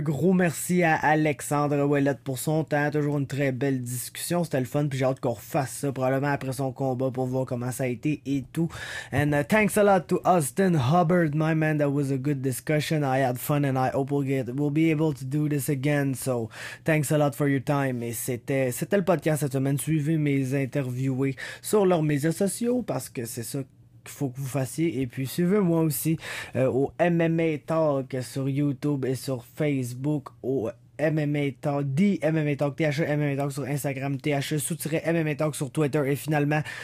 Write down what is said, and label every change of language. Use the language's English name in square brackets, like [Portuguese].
[French] Un gros merci à Alexandre Ouellet pour son temps. Toujours une très belle discussion. C'était le fun. Puis j'ai hâte qu'on refasse ça probablement après son combat pour voir comment ça a été et tout. [English] And thanks a lot to Austin Hubbard, my man. That was a good discussion. I had fun and I hope we'll be able to do this again. So thanks a lot for your time. [French] Et c'était le podcast cette semaine. Suivez mes interviewés sur leurs médias sociaux parce que c'est ça qu'il faut que vous fassiez, et puis suivez-moi aussi au MMA Talk sur YouTube et sur Facebook, au MMA Talk, The MMA Talk, THE MMA Talk sur Instagram, THE-MMA Talk sur Twitter, et finalement,